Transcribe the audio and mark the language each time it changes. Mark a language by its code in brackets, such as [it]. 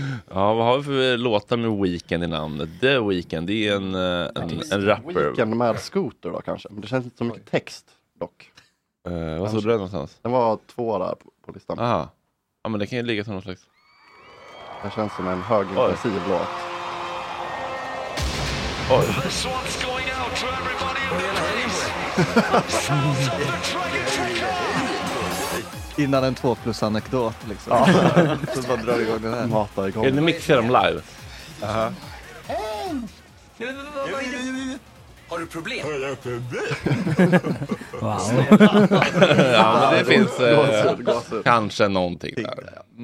[sv] Ja, vad har vi för låta med Weekend i namnet? The Weekend, det är en rapper. Weekend med Scooter då kanske. Men det känns inte så mycket text dock. Vad såg du redan någonstans? Det var två där på listan. Aha. Ja, men det kan ju ligga som något slags. Det känns som en högintensiv låt. Oj. [en] This one's going out to everybody in the place. [sv] Innan en 2+-anekdot liksom. Ja. Så bara drar igång den här. Mata igång. Är ni mixar dem live? Har du problem? Har du problem? Wow. Ja, men det finns gåsut. Kanske någonting där.